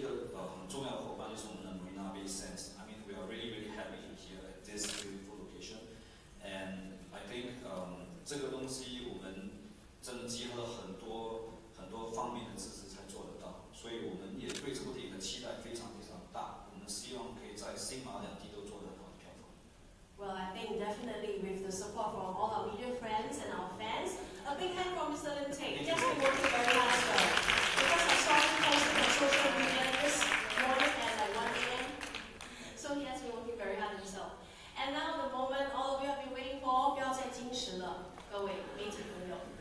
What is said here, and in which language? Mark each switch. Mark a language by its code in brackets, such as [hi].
[zh] 那老板其实之前呢也带过很多韩国电影进新加坡嘛，当中就包括非常受欢迎的《釜山行》。那对这一次军舰岛这部电影，老板有什么样的期许吗？其实我们在新加坡是叫十三列车，然后当然很幸运有带过很多不同的成功的韩国电影到新加坡。不过这一次，真的没想到能够把这整个军舰岛的艺人跟导演带来新加坡，还要真的要谢谢一个很重要的伙伴，就是我们的 Marina Bay Sands。 [en] I mean, we are really, really happy here at this beautiful location. And I think [zh] 这个东西我们真的集合了很多方面的支持才做得到。所以我们也对这部电影的期待非常非常大。我们希望可以在新马两地都做得到。 [en] Well, I think definitely with the support from all our media friends and our fans, a big hand from Mr. Lin Tae. Yes, we worked very hard, sir. Because I saw him posted on social media this morning at like 1 a.m. So he has been working very hard himself. And now the moment all of you have been waiting for, [zh] 不要再矜持了，各位媒体朋友。